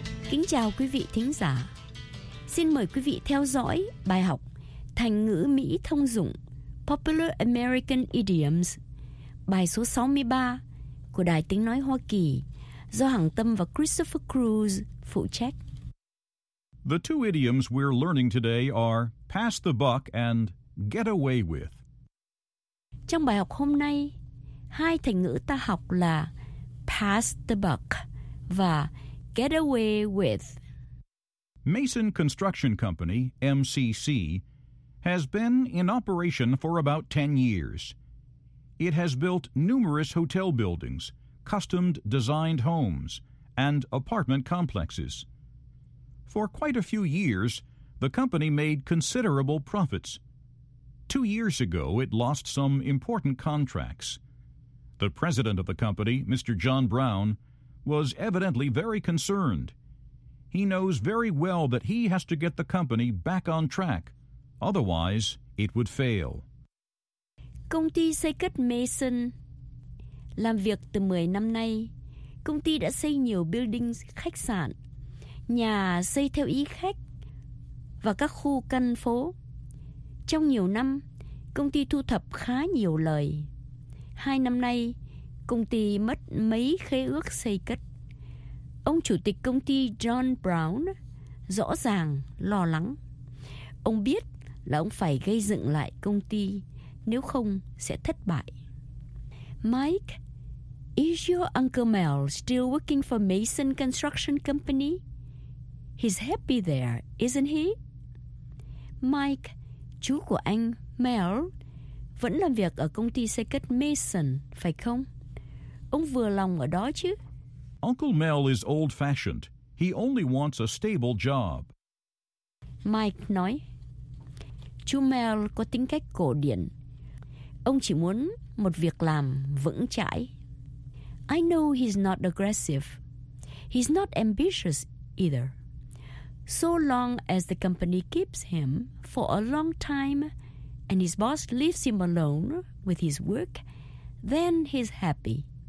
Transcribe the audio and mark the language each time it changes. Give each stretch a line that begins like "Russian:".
Vietnamese: Kính chào quý vị thính giả. Xin mời quý vị theo dõi bài học thành ngữ Mỹ thông dụng
English: Popular American Idioms,
Vietnamese: bài số 63 của Đài Tiếng Nói Hoa Kỳ do Hằng Tâm và Christopher Cruz phụ trách.
English: The two idioms we're learning today are pass the buck and get away with.
Vietnamese: Trong bài học hôm nay, hai thành ngữ ta học là pass the buck và get away with.
English: Mason Construction Company, MCC, has been in operation for about 10 years. It has built numerous hotel buildings, custom-designed homes, and apartment complexes. For quite a few years, the company made considerable profits. 2 years ago, it lost some important contracts. The president of the company, Mr. John Brown, was evidently very concerned. He knows very well that he has to get the company back on track. Otherwise, it would fail.
Vietnamese: Công ty xây cất Mason làm việc từ 10 năm nay. Công ty đã xây nhiều buildings, khách sạn, nhà xây theo ý khách và các khu căn phố. Trong nhiều năm, công ty thu thập khá nhiều lời. Hai năm nay, công ty mất mấy khế ước xây cất. Ông chủ tịch công ty John Brown rõ ràng lo lắng. Ông biết là ông phải gây dựng lại công ty, nếu không sẽ thất bại.
English: Mike, is your Uncle Mel still working for Mason Construction Company? He's happy there, isn't he?
Vietnamese: Mike, chú của anh Mel, vẫn làm việc ở công ty xây cất Mason, phải không? Ông vừa lòng ở đó chứ?
English: Uncle Mel is old-fashioned. He only wants a stable job.
Vietnamese: Mike nói, chú Mel có tính cách cổ điển. Ông chỉ muốn một việc làm vững chãi.
English: I know he's not aggressive. He's not ambitious either. So long as the company keeps him for a long time and his boss leaves him alone with his work, then he's happy.